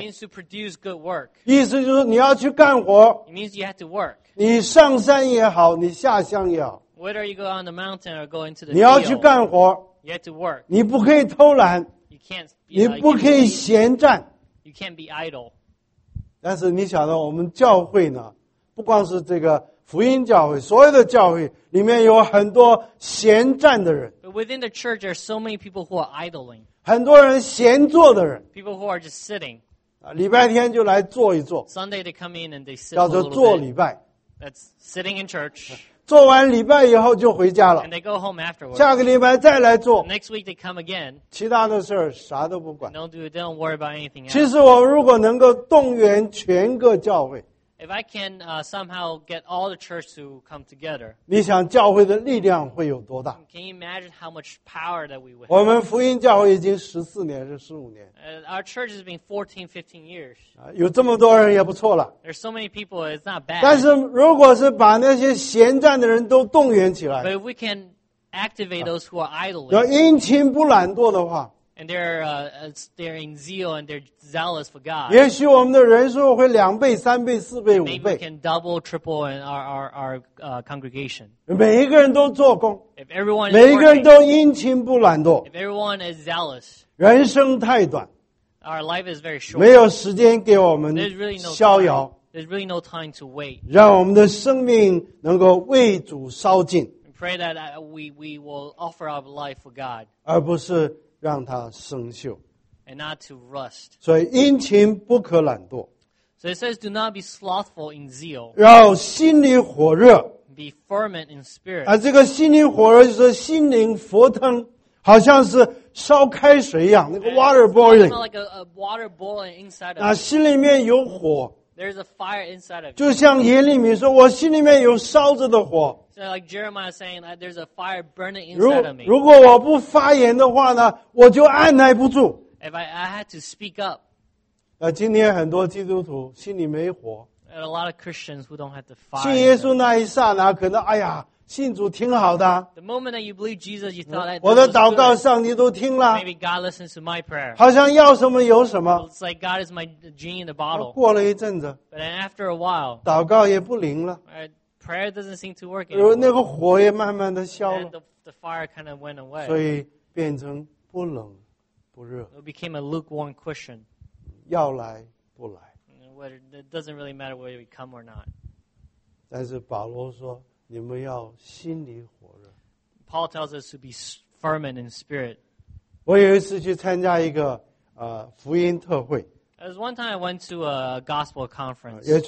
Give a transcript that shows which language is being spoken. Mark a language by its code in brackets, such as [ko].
[en] It means to produce good work. [zh] 意思就是你要去干活。 [en] It means you have to work. [zh] 你上山也好, 你下乡也好。 [en] Whether you go on the mountain or go into the field, [zh] 你要去干活。 [en] You have to work. [zh] 你不可以偷懒。 [en] You can't be idle. [zh] 你不可以闲站。 [en] You can't be idle. [zh] 但是你晓得我们教会呢, 不光是这个, 福音教会,所有的教会里面有很多闲站的人。 [en] But within the church, there are so many people who are idling. [zh] 很多人闲坐的人。 [en] People who are just sitting. [zh] 礼拜天就来坐一坐。 [en] Sunday they come in and they sit a little [zh] bit. 叫做坐礼拜。 [en] That's sitting in church. [zh] 坐完礼拜以后就回家了。 [en] And they go home afterwards. [zh] 下个礼拜再来坐。 [en] Next week they come again. [zh] 其他的事儿啥都不管。 [en] They don't worry about anything else. [zh] 其实我如果能够动员全个教会。 [en] If I can somehow get all the church to come together, [zh] 你想教会的力量会有多大? [en] Can you imagine how much power that we would have? [zh] 我们福音教会已经14年,15年。 [en] Our church has been 14, 15 years. [zh] 有这么多人也不错了。 [en] There's so many people, it's not bad. [zh] 但是如果是把那些闲站的人都动员起来, [en] But if we can activate those who are idle, [zh] 要殷勤不懒惰的话, [en] And they're in zeal and they're zealous for God. [zh] 也许我们的人数会两倍、三倍、四倍、五倍。 [en] Maybe we can double, triple in our congregation. [zh] 每一个人都做工。 [en] If everyone is [zh] 每一个人都殷勤不懒惰。 [en] If everyone is zealous. [zh] 人生太短。 [en] Our life is very short. [zh] 没有时间给我们逍遥。 [en] There's really no time to wait. [zh] 让我们的生命能够为主烧尽。 [en] Pray that we will offer our life for God. [zh] 而不是 让它生锈, [en] and not to rust. [zh] 所以殷勤不可懒惰, [en] so it says, do not be slothful in zeal. [zh] 要心里火热, [en] be fervent in spirit. [zh] 这个心里火热就是心灵佛腾, 好像是烧开水一样, 那个 [en] water boiling. It's kind of like a water boiling inside of [zh] it. 心里面有火, [en] there's a fire inside of it. [zh] 就像耶利米说, 我心里面有烧着的火, [en] like Jeremiah saying that there's a fire burning inside of me. [zh] 如果我不发言的话呢, 我就按捺不住。 [en] If I had to speak up. [zh] 今天很多基督徒心里没火。 [en] And a lot of Christians who don't have the fire. [zh] 信耶稣那一刹那, 可能, 哎呀, 信主挺好的。 [en] The moment that you believe Jesus, you thought that [zh] 我的祷告上帝都听了。 [en] Maybe God listens to my prayer. [zh] 好像要什么有什么。 [en] It's like God is my genie in the bottle. [zh] 过了一阵子, [en] But then after a while, [zh] 祷告也不灵了。 [en] Prayer doesn't seem to work anymore. [zh] 那个火也慢慢的消了, [en] and the fire kind of went away. [zh] 所以变成不冷不热, [en] it became a lukewarm cushion. [zh] 要来不来, [en] it doesn't really matter whether we come or not. [zh] 但是保罗说, 你们要心里火热。 [en] Paul tells us to be fervent in spirit. [zh] 我有一次去参加一个, 福音特会。 [en] There was one time I went to a gospel conference.